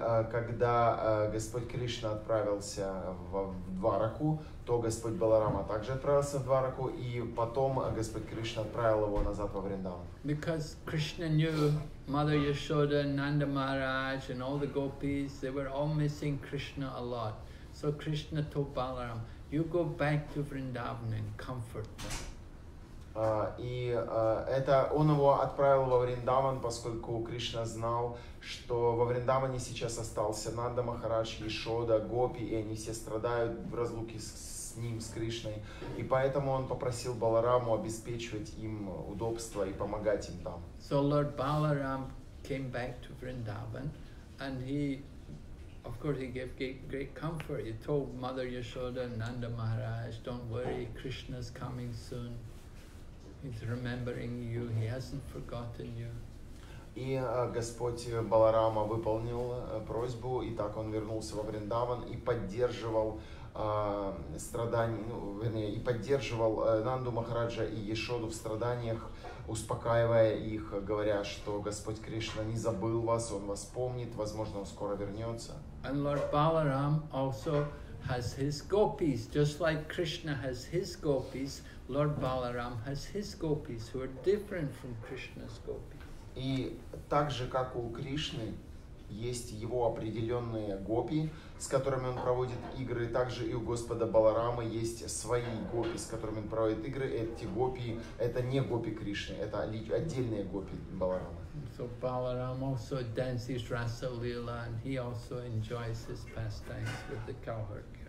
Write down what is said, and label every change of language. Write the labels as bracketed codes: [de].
[ru] Когда Господь Кришна отправился в Двараку, то Господь Баларама также отправился в Двараку, и потом Господь Кришна отправил его назад во Вриндаван. [en] Because Krishna knew Mother Yashoda, Nanda Maharaj, and all the gopis, they were all missing Krishna a lot. So Krishna told Balaram, "You go back to Vrindavan and comfort them." [ru] Это он его отправил во Вриндаван, поскольку Кришна знал, что во Вриндаване сейчас остался Нанда Махарадж, Яшода, Гопи, и они все страдают в разлуке с ним, с Кришной. И поэтому он попросил Балараму обеспечивать им удобство и помогать им там. [en] So Lord Balaram came back to Vrindavan, and he, of course, he gave great comfort. He told Mother Yashoda and Nanda Maharaj, "Don't worry, Krishna's coming soon. He's remembering you. He hasn't forgotten you." [ru] И Господь Баларама выполнил просьбу, и так он вернулся во Вриндаван и поддерживал страдания, ну, вернее, и поддерживал Нанду Махараджа и Яшоду в страданиях, успокаивая их, говоря, что Господь Кришна не забыл вас, он вас помнит, возможно, он скоро вернется. [en] And Lord Balaram also has his gopis, just like Krishna has his gopis. Lord Balaram has his gopis who are different from Krishna's gopis. [ru] И так же, как у Кришны есть его определенные гопи, с которыми он проводит игры, так же и у Господа Баларамы есть свои гопи, с которыми он проводит игры. Эти гопи — это не гопи Кришны, это отдельные гопи Баларамы. [en] So Balaram also dances Rasa Lila, and he also enjoys his pastimes with the cowherd.